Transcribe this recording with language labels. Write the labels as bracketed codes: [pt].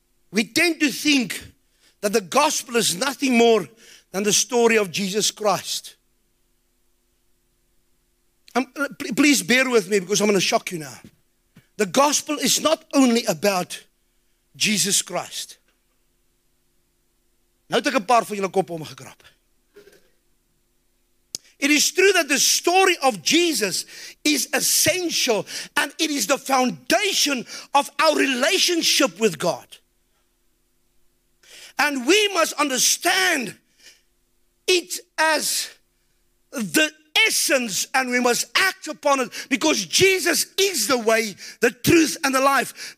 [en] We tend to think that the gospel is nothing more than the story of Jesus Christ. Please bear with me because I'm going to shock you now. The gospel is not only about Jesus Christ. [af] Nou het ek 'n paar van julle kop omgekrap. [en] It is true that the story of Jesus is essential, and it is the foundation of our relationship with God. And we must understand it as the essence, and we must act upon it, because Jesus is the way, the truth, and the life.